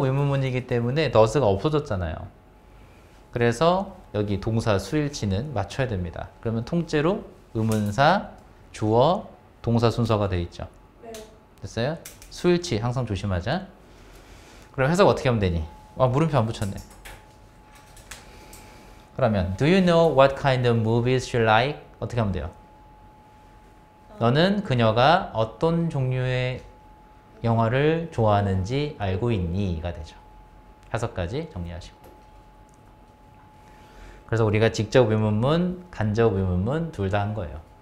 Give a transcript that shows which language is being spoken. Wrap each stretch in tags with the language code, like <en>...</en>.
<ko>의문문이기 때문에 does가 없어졌잖아요. 그래서 여기 동사 수일치는 맞춰야 됩니다. 그러면 통째로 의문사, 주어, 동사 순서가 돼 있죠. 네. 됐어요? 수일치 항상 조심하자. 그럼 해석 어떻게 하면 되니? 와, 물음표 안 붙였네. 그러면</ko> <en>Do you know what kind of movies she like?</en> <ko>어떻게 하면 돼요? 너는 그녀가 어떤 종류의 영화를 좋아하는지 알고 있니?가 되죠. 해석까지 정리하시고. 그래서 우리가 직접 의문문, 간접 의문문 둘 다 한 거예요.</ko>